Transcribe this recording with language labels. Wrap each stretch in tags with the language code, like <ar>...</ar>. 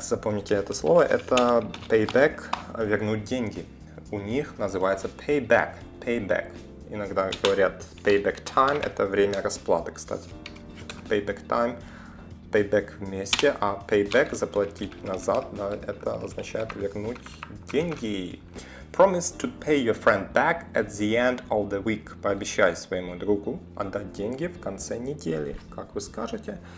<ru>Запомните это слово. Это payback. Вернуть деньги. У них называется payback. Payback. Иногда говорят payback time. Это время расплаты, кстати. Payback time. Payback вместе. А payback заплатить назад. Да, это означает вернуть деньги.</ru> <en>Promise to pay your friend back at the end of the week.</en> <ru>Пообещай своему другу отдать деньги в конце недели. Как вы скажете?</ru>